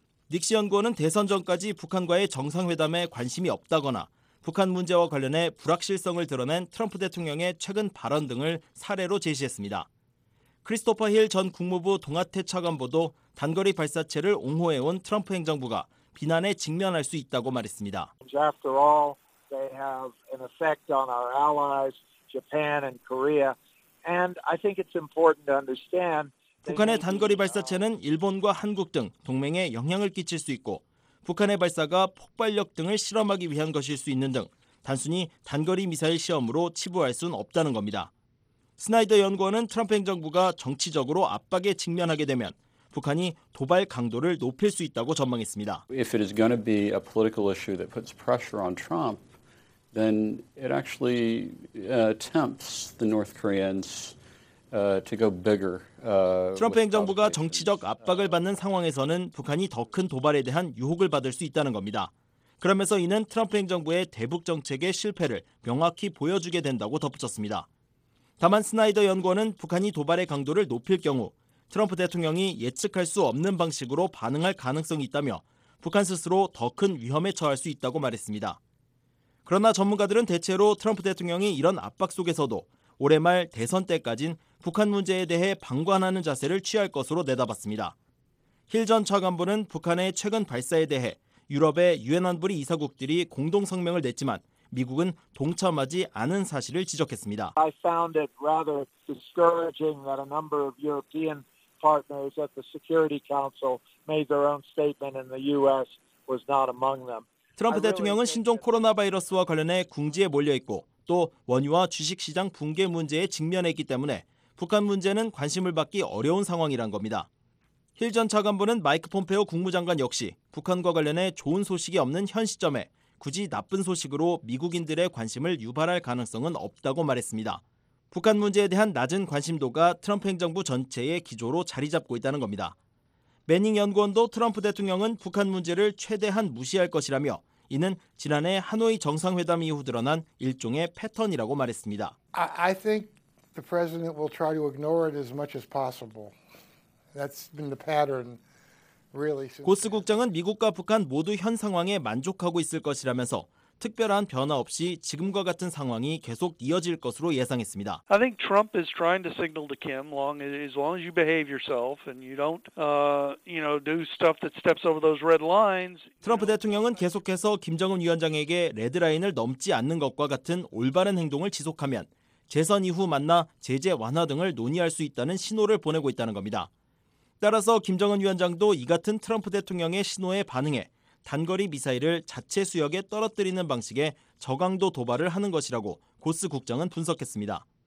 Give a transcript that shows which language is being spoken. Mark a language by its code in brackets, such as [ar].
[ko] 닉시 연구원은 대선 전까지 북한과의 정상회담에 관심이 없다거나 북한 문제와 관련해 불확실성을 드러낸 트럼프 대통령의 최근 발언 등을 사례로 제시했습니다. 크리스토퍼 힐 전 국무부 동아태 차관보도 단거리 발사체를 옹호해온 트럼프 행정부가 비난에 직면할 수 있다고 말했습니다. [en] After all, they have an effect on our allies, Japan and Korea. And I think it's important to understand. [ko] 북한의 단거리 발사체는 일본과 한국 등 동맹에 영향을 끼칠 수 있고 북한의 발사가 폭발력 등을 실험하기 위한 것일 수 있는 등 단순히 단거리 미사일 시험으로 치부할 수는 없다는 겁니다. 스나이더 연구원은 트럼프 행정부가 정치적으로 압박에 직면하게 되면 북한이 도발 강도를 높일 수 있다고 전망했습니다. [en] If it is going to be a political issue that puts pressure on Trump, then it actually tempts the North Koreans to go bigger. [ko] 트럼프 행정부가 정치적 압박을 받는 상황에서는 북한이 더 큰 도발에 대한 유혹을 받을 수 있다는 겁니다. 그러면서 이는 트럼프 행정부의 대북 정책의 실패를 명확히 보여주게 된다고 덧붙였습니다. 다만 스나이더 연구원은 북한이 도발의 강도를 높일 경우 트럼프 대통령이 예측할 수 없는 방식으로 반응할 가능성이 있다며 북한 스스로 더 큰 위험에 처할 수 있다고 말했습니다. 그러나 전문가들은 대체로 트럼프 대통령이 이런 압박 속에서도 올해 말 대선 때까지는 북한 문제에 대해 방관하는 자세를 취할 것으로 내다봤습니다. 힐 전 차관보는 북한의 최근 발사에 대해 유럽의 유엔 안보리 이사국들이 공동 성명을 냈지만 미국은 동참하지 않은 사실을 지적했습니다. [en] I found it rather discouraging that a number of European partners at the Security Council made their own statement and the US was not among them. [ko] 트럼프 대통령은 신종 코로나 바이러스와 관련해 궁지에 몰려 있고 또 원유와 주식 시장 붕괴 문제에 직면했기 때문에 북한 문제는 관심을 받기 어려운 상황이란 겁니다. 힐 전 차관보는 마이크 폼페오 국무장관 역시 북한과 관련해 좋은 소식이 없는 현 시점에 굳이 나쁜 소식으로 미국인들의 관심을 유발할 가능성은 없다고 말했습니다. 북한 문제에 대한 낮은 관심도가 트럼프 행정부 전체의 기조로 자리 잡고 있다는 겁니다. 매닝 연구원도 트럼프 대통령은 북한 문제를 최대한 무시할 것이라며 이는 지난해 하노이 정상회담 이후 드러난 일종의 패턴이라고 말했습니다. [en] I think the president will try to ignore it as much as possible. That's been the pattern. [ko] 고스 국장은 미국과 북한 모두 현 상황에 만족하고 있을 것이라면서 특별한 변화 없이 지금과 같은 상황이 계속 이어질 것으로 예상했습니다. [en] I think Trump is trying to signal to Kim as long as you behave yourself and you don't do stuff that steps over those red lines. [ko] 트럼프 대통령은 계속해서 김정은 위원장에게 레드라인을 넘지 않는 것과 같은 올바른 행동을 지속하면 재선 이후 만나 제재 완화 등을 논의할 수 있다는 신호를 보내고 있다는 겁니다. 따라서 김정은 위원장도 이 같은 트럼프 대통령의 신호에 반응해 단거리 미사일을 자체 수역에 떨어뜨리는 방식의 저강도 도발을 하는 것이라고 고스 국장은 분석했습니다.